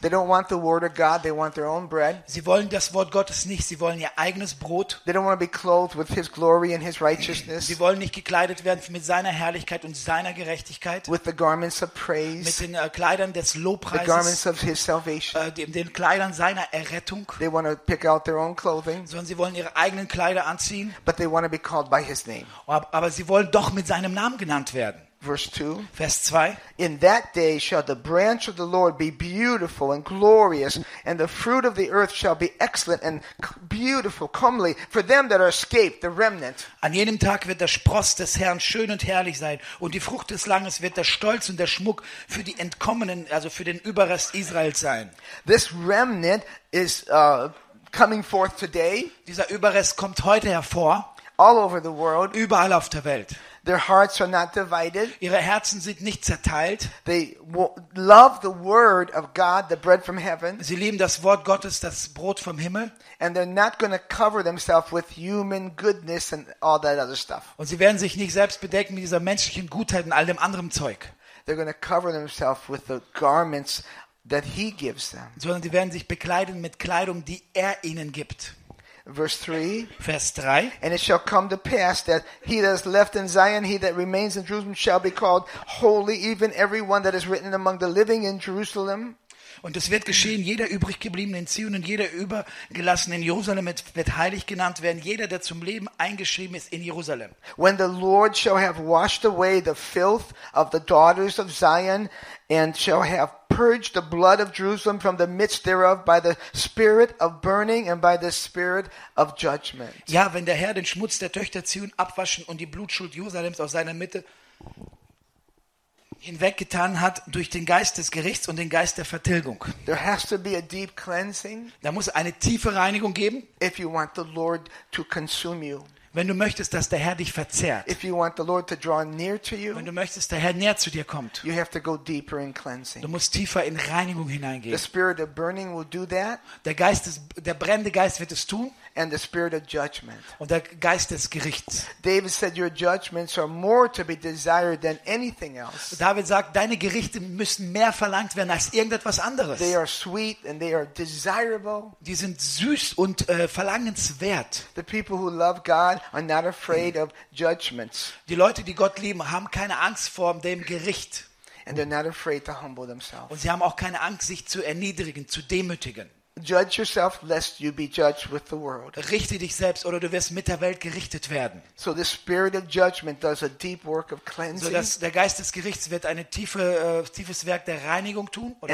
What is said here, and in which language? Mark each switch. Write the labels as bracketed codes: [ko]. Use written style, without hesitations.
[en] They don't want the word of God, they want their own bread. [de] Sie wollen das Wort Gottes nicht, sie wollen ihr eigenes Brot. [en] They don't want to be clothed with his glory and his righteousness. [de] Sie wollen nicht gekleidet werden mit seiner Herrlichkeit und seiner Gerechtigkeit. [en] With the garments of praise. [de] Mit den Kleidern des Lobpreises. [en] The garments of his salvation. [de] Den Kleidern seiner Errettung. [en] They want to pick out their own clothing. [de] Sondern sie wollen ihre eigenen Kleider anziehen. [en] But they want to be called by his name. [de] Aber sie wollen doch mit seinem Namen genannt werden. Vers 2. [en] In that day shall the branch of the Lord be beautiful and glorious, and the fruit of the earth shall be excellent and beautiful, comely for them that are escaped, the remnant. [de] An jenem Tag wird der Spross des Herrn schön und herrlich sein, und die Frucht des Landes wird der Stolz und der Schmuck für die Entkommenen, also für den Überrest Israels sein. [en] This remnant is coming forth today. [de] Dieser Überrest kommt heute hervor. [en] All over the world. [de] Überall auf der Welt. [en] Their hearts are not divided. [de] Ihre Herzen sind nicht zerteilt. [en] They love the word of God, the bread from heaven. [de] Sie lieben das Wort Gottes, das Brot vom Himmel. [en] And they're not going to cover themselves with human goodness and all that other stuff. [de] Und sie werden sich nicht selbst bedecken mit dieser menschlichen Gutheit und all dem anderen Zeug. [en] They're going to cover themselves with the garments that he gives them. [de] Sondern sie werden sich bekleiden mit Kleidung, die er ihnen gibt. Vers 3. [en] And it shall come to pass that he that is left in Zion, he that remains in Jerusalem, shall be called holy, even every one that is written among the living in Jerusalem. [de] Und es wird geschehen, jeder übrig gebliebene in Zion und jeder übergelassene in Jerusalem wird heilig genannt werden, jeder, der zum Leben eingeschrieben ist in Jerusalem. [en] When the Lord shall have washed away the filth of the daughters of Zion and shall have purge the blood of Jerusalem from the midst thereof by the spirit of burning and by the spirit of judgment. [de] Ja, wenn der Herr den Schmutz der Töchter Zion abwaschen und die Blutschuld Jerusalems aus seiner Mitte hinweggetan hat durch den Geist des Gerichts und den Geist der Vertilgung. [en] There has to be a deep cleansing. [de] Da muss eine tiefe Reinigung geben. [en] If you want the Lord to consume you. [de] Wenn du möchtest, dass der Herr dich verzehrt. [en] If you want the Lord to draw near to you, [de] wenn du möchtest, dass der Herr näher zu dir kommt. [en] You have to go deeper in cleansing. [de] Du musst tiefer in Reinigung hineingehen. [en] The spirit of burning will do that. [de] Der brennende Geist wird es tun. [en] And the spirit of judgment. [de] Und der Geist des Gerichts. [en] David said, "Your judgments are more to be desired than anything else." [de] David sagt, deine Gerichte müssen mehr verlangt werden als irgendetwas anderes. [en] They are sweet and they are desirable. [de] Die sind süß und verlangenswert. [en] The people who love God are not afraid of judgments. [de] Die Leute, die Gott lieben, haben keine Angst vor dem Gericht. [en] And they're not afraid to humble themselves. [de] Und sie haben auch keine Angst, sich zu erniedrigen, zu demütigen. [en] Judge yourself, lest you be judged with the world. [de] Richte dich selbst, oder du wirst mit der Welt gerichtet werden. [en] So the spirit of judgment does a deep work of cleansing. [de] So dass der Geist des Gerichts wird eine tiefes Werk der Reinigung tun oder